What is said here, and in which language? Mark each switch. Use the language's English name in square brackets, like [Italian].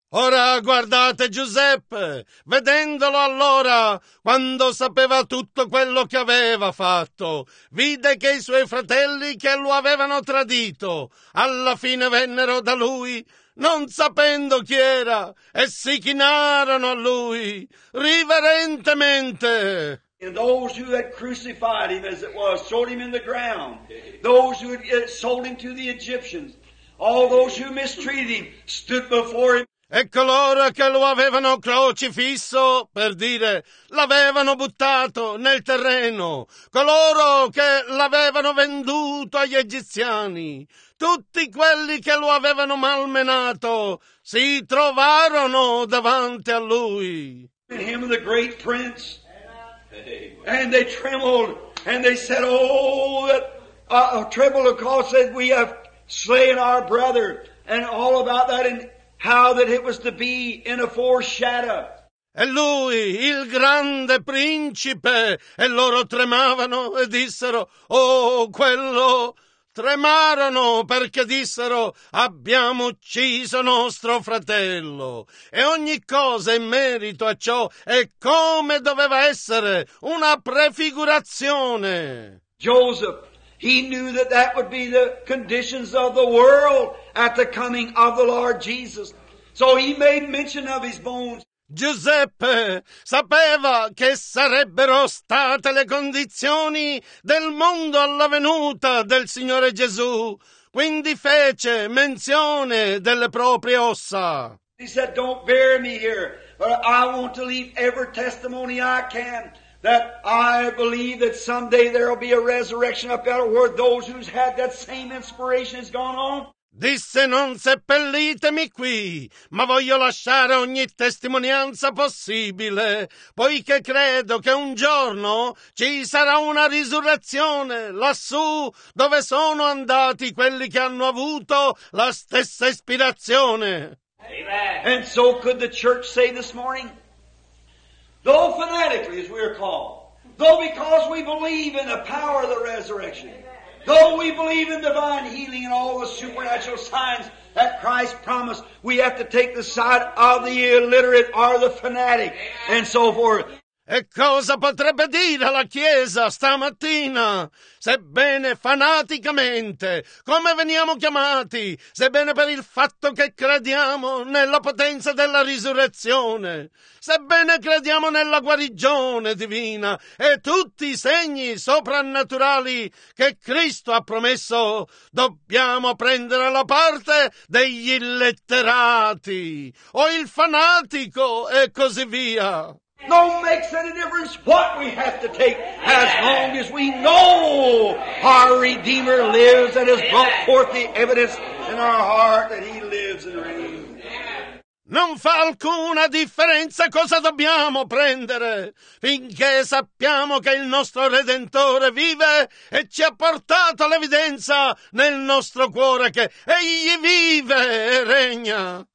[Italian] Ora guardate Giuseppe, vedendolo allora, quando sapeva tutto quello che aveva fatto, vide che i suoi fratelli che lo avevano tradito, alla fine vennero da lui, non sapendo chi era, e si chinarono a lui, riverentemente. [English] And those who had crucified him, as it was, sold him in the ground, those who had sold him to the Egyptians, all those who mistreated him, stood before him. [Italian] E coloro che lo avevano crocifisso, per dire, l'avevano buttato nel terreno, coloro che l'avevano venduto agli egiziani, tutti quelli che lo avevano malmenato, si trovarono davanti a lui. [English] And him and the great prince, and they trembled, and they said, oh, trembled because that we have slain our brother, and all about that, and how that it was to be in a foreshadow. [Italian] E lui, il grande principe, e loro tremavano e dissero, oh, quello, tremarono perché dissero, abbiamo ucciso nostro fratello. E ogni cosa in merito a ciò è come doveva essere, una prefigurazione. [English] Joseph, He knew that that would be the conditions of the world at the coming of the Lord Jesus. So he made mention of his bones. [Italian] Giuseppe sapeva che sarebbero state le condizioni del mondo alla venuta del Signore Gesù, quindi fece menzione delle proprie ossa. [English] He said, "Don't bury me here, but I want to leave every testimony I can that I believe that someday there will be a resurrection up out of where those who's had that same inspiration has gone on." [Italian] Disse, "Non seppellitemi qui, ma voglio lasciare ogni testimonianza possibile, poiché credo che un giorno ci sarà una risurrezione lassù dove sono andati quelli che hanno avuto la stessa ispirazione." [English] Amen. And so could the church say this morning, though fanatically as we are called, though because we believe in the power of the resurrection, though we believe in divine healing and all the supernatural signs that Christ promised, we have to take the side of the illiterate or the fanatic, and so forth. [Italian] E cosa potrebbe dire la Chiesa stamattina? Sebbene fanaticamente, come veniamo chiamati? Sebbene per il fatto che crediamo nella potenza della risurrezione, sebbene crediamo nella guarigione divina e tutti i segni soprannaturali che Cristo ha promesso, dobbiamo prendere la parte degli illetterati o il fanatico e così via. [English] No makes any difference what we have to take, as long as we know our Redeemer lives and has brought forth the evidence in our heart that He lives and reigns. [Italian] Non fa alcuna differenza cosa dobbiamo prendere, finché sappiamo che il nostro Redentore vive e ci ha portato l'evidenza nel nostro cuore che Egli vive e regna.